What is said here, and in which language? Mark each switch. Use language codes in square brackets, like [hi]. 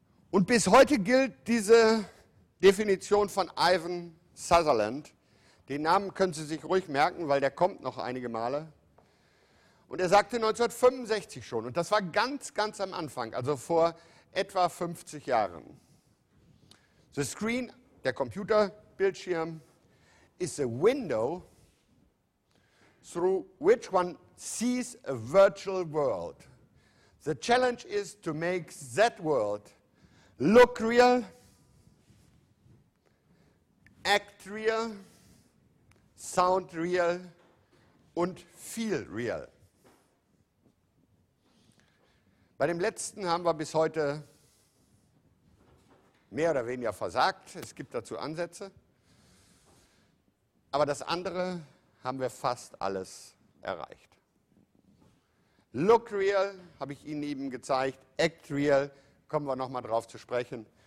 [de] Und bis heute gilt diese Definition von Ivan Sutherland. Den Namen können Sie sich ruhig merken, weil der kommt noch einige Male. Und er sagte 1965 schon, und das war ganz, ganz am Anfang, also vor etwa 50 Jahren. [en] The screen, [de] der Computerbildschirm, [en] is a window through which one sees a virtual world. The challenge is to make that world look real, act real, sound real und feel real. [de] Bei dem letzten haben wir bis heute mehr oder weniger versagt. Es gibt dazu Ansätze. Aber das andere haben wir fast alles erreicht. Look real, habe ich Ihnen eben gezeigt. Act real, kommen wir nochmal drauf zu sprechen.